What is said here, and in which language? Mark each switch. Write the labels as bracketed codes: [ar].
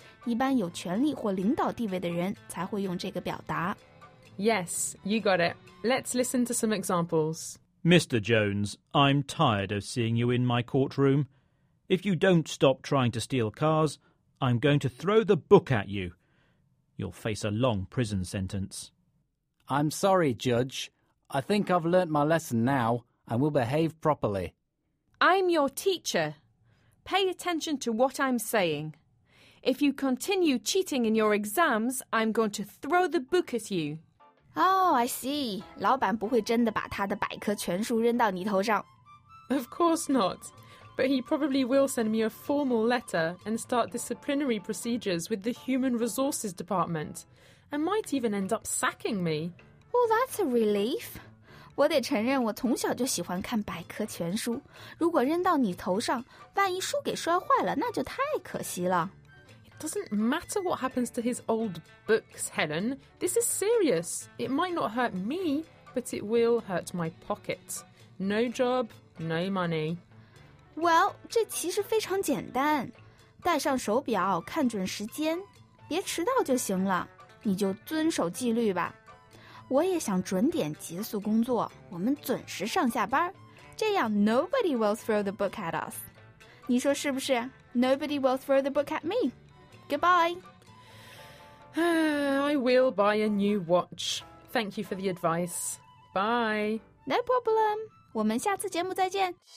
[zh] 一般有权力或领导地位的人才会用这个表达。 [en] Yes, you got it. Let's listen to some examples. Mr. Jones, I'm tired of seeing you in my courtroom. If you don't stop trying to steal cars, I'm going to throw the book at you. You'll face a long prison sentence. I'm sorry, Judge. I think I've learnt my lesson now and will behave properly. I'm your teacher. Pay attention to what I'm saying. If you continue cheating in your exams, I'm going to throw the book at you. Oh, I see. [zh] 老板不会真的把他的百科全书扔到你头上。 [en] Of course not. But he probably will send me a formal letter and start disciplinary procedures with the Human Resources Department and might even end up sacking me. Oh, that's a relief. [zh] 我得承认我从小就喜欢看百科全书。如果扔到你头上，万一书给摔坏了，那就太可惜了。 [en] It doesn't matter what happens to his old books, Helen. This is serious. It might not hurt me, but it will hurt my pocket. No job, no money. [zh] Well, 这其实非常简单。戴上手表，看准时间，别迟到就行了。你就遵守纪律吧。我也想准点结束工作，我们准时上下班，这样 [en] nobody will throw the book at us. [zh] 你说是不是？ [en] Nobody will throw the book at me. Goodbye. I will buy a new watch. Thank you for the advice. Bye. No problem. [zh] 我们下次节目再见。